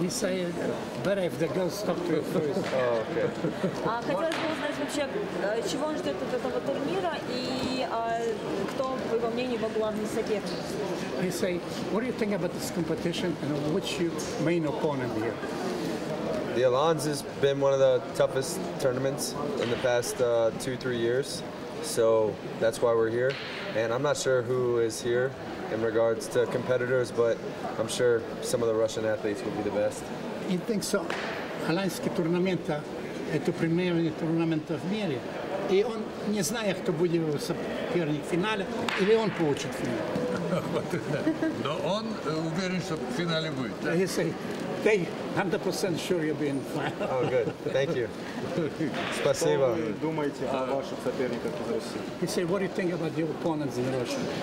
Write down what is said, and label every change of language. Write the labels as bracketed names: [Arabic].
[English] He said, better if the girls talk to you first. [Russian] А хотелось бы узнать вообще, чего он ждет от этого турнира и кто, по его мнению, его главный соперник? [English] He said, what do you think about this competition and what's your main opponent here? The Alliance has been one of the toughest tournaments in the past 2-3 years, so that's why we're here. And I'm not sure who is here in regards to competitors, but I'm sure some of the Russian athletes will be the best. You think so? Alliance tournament is the premier tournament of the world, and he doesn't know who will be his first final, or he will get the final. [Russian] Но он уверен, что в финале будет. Да? [English] He say, they 100% sure you'll be in final. Oh, good. Thank you. [Russian] Спасибо. Что вы думаете о ваших соперниках из России? [English] He say, what do you think about your opponents in Russia?